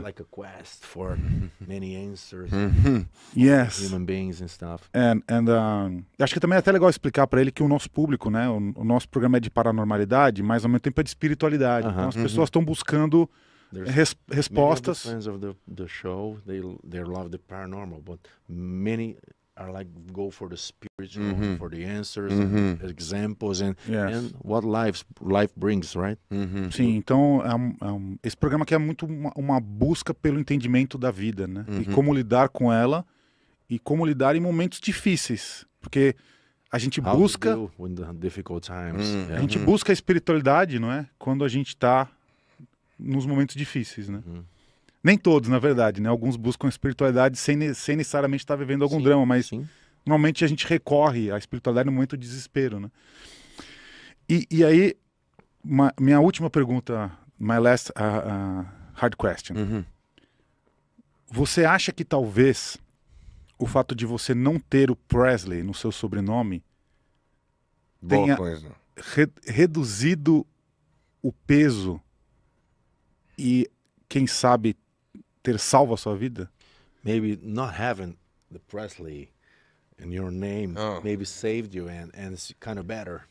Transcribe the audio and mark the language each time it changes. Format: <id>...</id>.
<en>Like a quest for many answers. Yes. Human beings and stuff.</en> <pt>Acho que também é até legal explicar para ele que o nosso público, né, o nosso programa é de paranormalidade, mas ao mesmo tempo é de espiritualidade. Uh-huh. Então as pessoas estão buscando respostas.</pt> <en>Many of the fans of the show, they love the paranormal, but many are like go for the spiritual, mm-hmm, for the answers, mm-hmm, and examples, and yes, and what life brings, right? Mm-hmm.</en> <pt>Sim, então esse programa aqui é muito uma busca pelo entendimento da vida, né? Mm-hmm. E como lidar com ela, e como lidar em momentos difíceis, porque a gente</pt> <en>how</en> <pt>busca</pt> <en>in the difficult times. Mm-hmm.</en> <pt>Yeah. A gente, mm-hmm, busca a espiritualidade, não é? Quando a gente está nos momentos difíceis, né? Mm-hmm. Nem todos, na verdade, né? Alguns buscam espiritualidade sem necessariamente estar vivendo algum, sim, drama, mas, sim, normalmente a gente recorre à espiritualidade no momento de desespero, né? E aí, minha última pergunta,</pt> <en>my last hard question. Uhum.</en> <pt>Você acha que talvez o fato de você não ter o Presley no seu sobrenome boa tenha coisa reduzido o peso e, quem sabe, ter salvo a sua vida?</pt> <en>Maybe not having the Presley in your name, oh, maybe saved you and it's kind of better.</en>